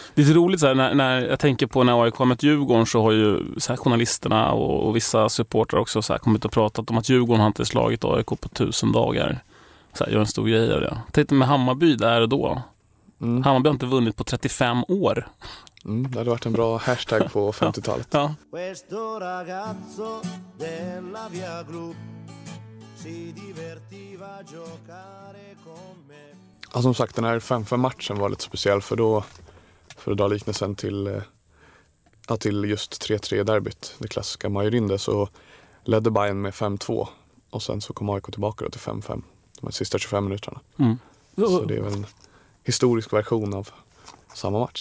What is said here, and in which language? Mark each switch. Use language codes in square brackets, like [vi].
[sv] Det är roligt så här, när jag tänker på när AIK mött Djurgården, så har ju så här, journalisterna och vissa supportrar också så här, kommit och pratat om att Djurgården har inte slagit AIK på 1000 dagar. Så här, gör en stor grej av det. Tänk med Hammarby där och då. Mm. Hammarby har inte vunnit på 35 år. Mm, det hade varit en bra hashtag på 50-talet. Ja. [it] Questo ragazzo della Via Group si divertiva giocare con me. [sv] Ja, som sagt, den här 5-5-matchen var lite speciell, för då liknelsen till just 3-3-derbyt, det klassiska Majorinde, så ledde Bayern med 5-2 och sen så kom AIK tillbaka då till 5-5 de här sista 25 minuterna. Mm. Så det är väl en historisk version av samma match.